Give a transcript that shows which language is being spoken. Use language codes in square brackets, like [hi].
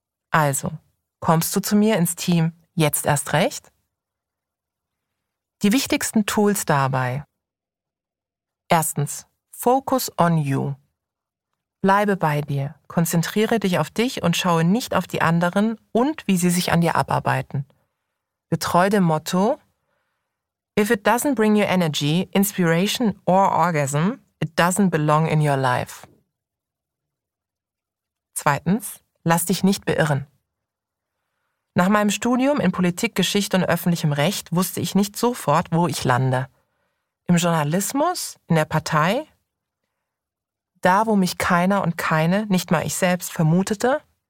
[de] Also, kommst du zu mir ins Team jetzt erst recht? Die wichtigsten Tools dabei. Erstens, [en] Focus on you. [de] Bleibe bei dir, konzentriere dich auf dich und schaue nicht auf die anderen und wie sie sich an dir abarbeiten. Getreu dem Motto, [en] if it doesn't bring you energy, inspiration or orgasm, it doesn't belong in your life. [de] Zweitens, lass dich nicht beirren. Nach meinem Studium in Politik, Geschichte und öffentlichem Recht wusste ich nicht sofort, wo ich lande. Im Journalismus? In der Partei? Da, wo mich keiner und keine, nicht mal ich selbst, vermutete?